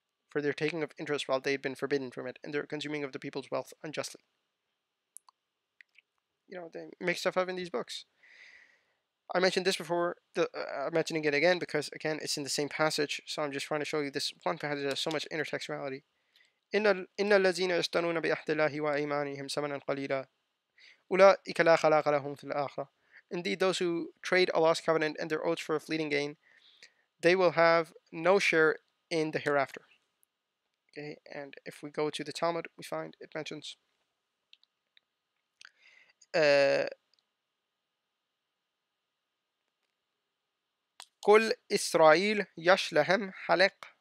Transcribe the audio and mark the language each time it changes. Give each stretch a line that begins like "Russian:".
English: For their taking of interest while they had been forbidden from it, and their consuming of the people's wealth unjustly. You know, they make stuff up in these books. I mentioned this before, I'm mentioning it again, because again, it's in the same passage, so I'm just trying to show you this one passage that has so much intertextuality.
Arabic: إِنَّ الَّذِينَ يَشْتَرُونَ بِأَحْدِ اللَّهِ وَأَيْمَانِهِمْ سَمَنًا قَلِيلًا أُولَٰئِكَ لَا خَلَاقَ لَهُمْ فِي الْآخِرَةِ.
English: Indeed, those who trade Allah's covenant and their oaths for a fleeting gain, they will have no share in the hereafter. Okay, and if we go to the Talmud, we find it mentions
Hebrew: Kul Israel Yashlahem Halek.